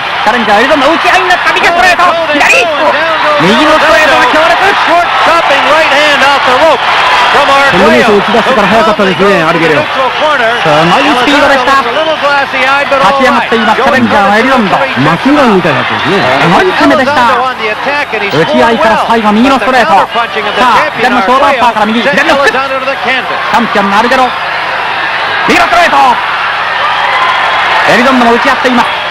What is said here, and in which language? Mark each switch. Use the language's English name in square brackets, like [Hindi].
[Japanese] チャレンジャーエリゾンド打ち合いになった。右ストレート。左。右のストレートが強烈。 [English] Short chopping right hand off the rope from our player. [Japanese] このレース打ち出したから早かったですね、アルゲレオ。すごいスピードでした。立ち上がっています、チャレンジャーのエリゾンド。マシンガンみたいなやつですね。すごい攻めでした。打ち合いから最後、右のストレート。さあ、左のショーバッターから右、左のフック。チャンピオンのアルゲロ。右のストレート。エリゾンドも打ち合っています。